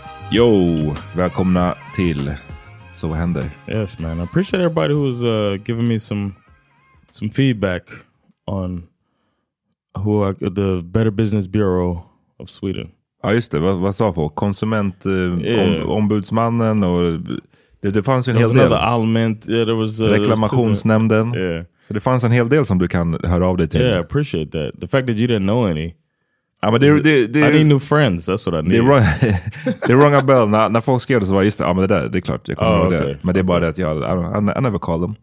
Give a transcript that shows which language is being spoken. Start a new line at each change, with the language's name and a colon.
Swedish: Yo, välkomna till Så vad händer.
English: Yes, man. I appreciate everybody who's giving me some feedback on who the Better Business Bureau of Sweden.
Swedish: Ja, just det. Vad sa folk? Konsument, ombudsmannen och det fanns en hel del.
English: Allmänt, there was
Swedish: reklamationsnämnden.
English: Yeah.
Swedish: Så det fanns en hel del som du kan höra av dig till.
English: Yeah, I appreciate that. The fact that you didn't know any.
Swedish: Ja, men
English: I need new friends, that's what I need.
Swedish: Det är
English: rung a bell.
Swedish: När folk skrev det så var just det, ja, men det där, det är klart. Jag kommer ihåg det. Men det är bara det att
English: I never call them.